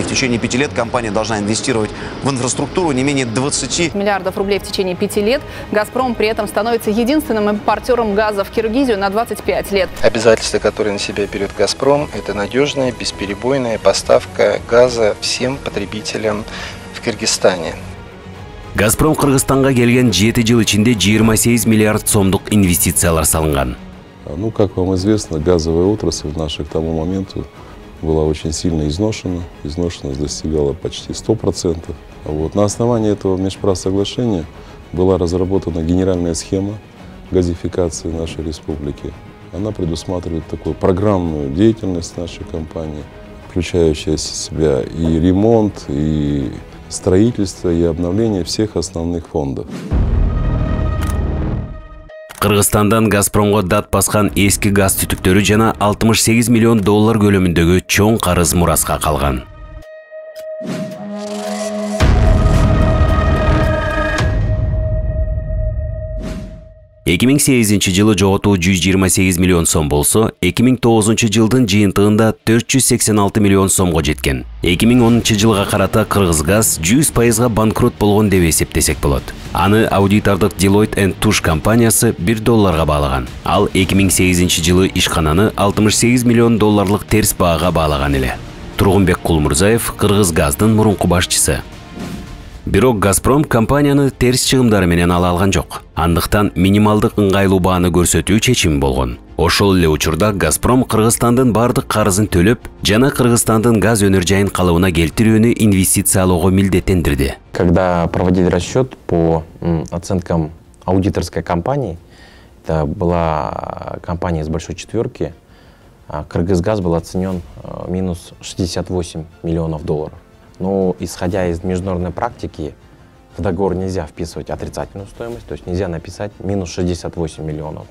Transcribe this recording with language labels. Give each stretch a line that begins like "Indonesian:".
Russian: И в течение 5 лет компания должна инвестировать в инфраструктуру не менее 20 миллиардов рублей в течение 5 лет. «Газпром» при этом становится единственным импортером газа в Киргизию на 25 лет. Обязательства, которые на себя берет «Газпром», это надежная, бесперебойная поставка газа всем потребителям в Кыргызстане.
Kyrgyz: «Газпром» Кыргызстанга келген 7 жыл ичинде 28 миллиард сомдук инвестициялар салынган.
Russian: Ну, как вам известно, газовая отрасль наша к тому моменту была очень сильно изношена. Изношенность достигала почти 100%. Вот. На основании этого межправосоглашения была разработана генеральная схема газификации нашей республики. Она предусматривает такую программную деятельность нашей компании, включающая в себя и ремонт, и строительство и обновление всех основных фондов.
Kyrgyz: Кыргызстандан «Газпромго» дат баскан эски газ түтүктөрү жана 68 миллион доллар көлөмүндөгү чоң карыз мураска калган. Жылы жоготуу 128 миллион сом болсо, 2009 жылдын жыйынтыгында 486 миллион сомго жеткен. 2010 жылга карата Кыргызгаз 100% банкрот болгон деп эсептесек болот. Аны аудитордук Deloitte & Touche компаниясы 1 долларга баалаган. Ал 2008 жылы ишкананы 68 миллион долларлык терс баага баалаган эле. Тургунбек Кулмурзаев, Кыргызгаздын мурунку башчысы. Бирок «Газпром» компанияны терс чыгымдар менен ала алган жок. Андыктан минималдык ыңгайлуу бааны көрсөтүү чечими болгон. Ошол эле учурда «Газпром» Кыргызстандын бардык карызын төлөп, жана Кыргызстандын газ өнөр жайын калыбына келтирүүнү инвестициялоого милдеттендирди.
Russian: Когда проводили расчет по оценкам аудиторской компании, это была компания из большой четверки, «Кыргызгаз» был оценен минус 68 миллионов долларов. Но исходя из международной практики, в договор нельзя вписывать отрицательную стоимость, то есть нельзя написать минус 68 миллионов.